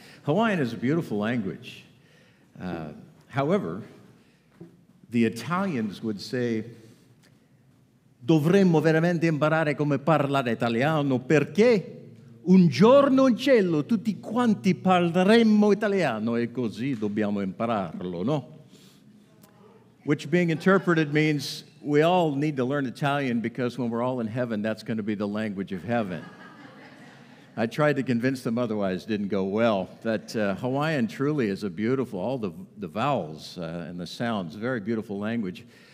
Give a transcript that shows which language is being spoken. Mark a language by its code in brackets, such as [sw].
[en] Hawaiian is a beautiful language. However, the Italians would say, [it] dovremmo veramente imparare come parlare italiano perché un giorno in cielo tutti quanti parleremmo italiano e così dobbiamo impararlo, no? [en] Which being interpreted means we all need to learn Italian because when we're all in heaven, that's going to be the language of heaven. I tried to convince them otherwise, didn't go well. But Hawaiian truly is a beautiful, all the vowels and the sounds, very beautiful language.